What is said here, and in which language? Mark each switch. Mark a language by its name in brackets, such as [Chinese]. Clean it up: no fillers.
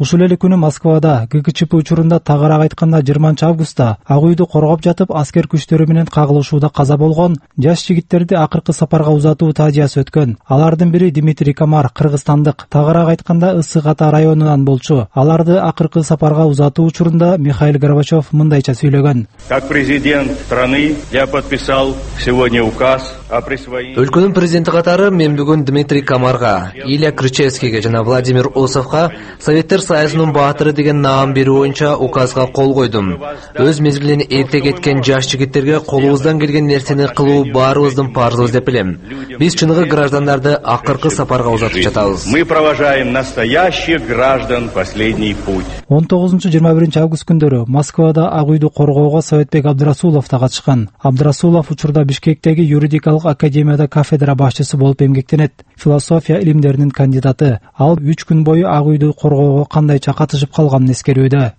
[Kyrgyz] Ушул эле күнү Москвада ГКЧП учурунда тагыраак айтканда 20 августта Ак Үйдү коргоп жатып аскер күчтөрү менен кагылышууда каза болгон жаш жигиттерди акыркы сапарга узатуу таазиясы өткөн. Алардын бири Дмитрий Комар, кыргызстандык, тагыраак айтканда Ысык Ата районунан болчу. Аларды акыркы сапарга узатуу учурунда Михаил Горбачев мындайча сүйлөгөн. [Russian] Как президент страны, я подписал сегодня указ о присвоении. [Kyrgyz] Өлкөнүн президенти катары мен бүгүн Дмитрий Комарга, Илья Кричевскийге жана Владимир Осовго Советтер Союзунун баатыры деген наам берүү боюнча указга кол койдум. Өз мезгилин эрте кеткен жаш жигиттерге колубуздан келген нерсени кылуу баарыбыздын парызыбыз деп билем. Биз чыныгы граждандарды акыркы сапарга узатып жатабыз. [Russian] Мы провожаем настоящих граждан последний путь. [Kyrgyz] 19-21 август күндөрү Москвада Ак Үйдү коргоого Советбек Абдырасулов да катышкан. Абдырасулов учурда Бишкектеги юридикалык академияда кафедра башчысы болуп эмгектенет. Философия илимдеринин кандидаты. Ал 3 күн бою Ак Үйдү коргоого кандайча катышып калганын эскерүүдө.